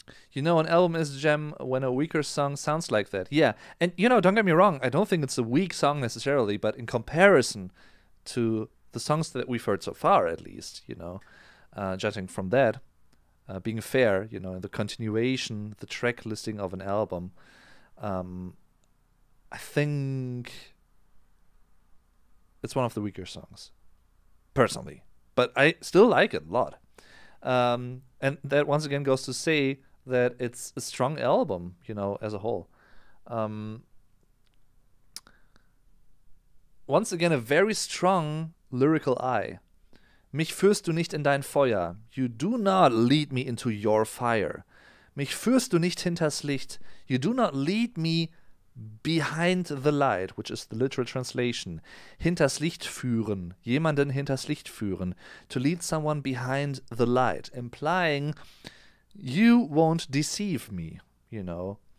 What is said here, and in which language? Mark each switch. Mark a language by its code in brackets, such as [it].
[en] You know, an album is a gem when a weaker song sounds like that. Yeah, and you know, don't get me wrong, I don't think it's a weak song necessarily, but in comparison to the songs that we've heard so far, at least, you know, judging from that, being fair, you know, in the continuation, the track listing of an album, I think it's one of the weaker songs, personally. But I still like it a lot. And that once again goes to say that it's a strong album, you know, as a whole. Once again, a very strong lyrical eye. [de] Mich führst du nicht in dein Feuer. [en] You do not lead me into your fire. [de] Mich führst du nicht hinters Licht. [en] You do not lead me behind the light, which is the literal translation. [de] Hinters Licht führen. Jemanden hinters Licht führen. [en] To lead someone behind the light. Implying, you won't deceive me, you know.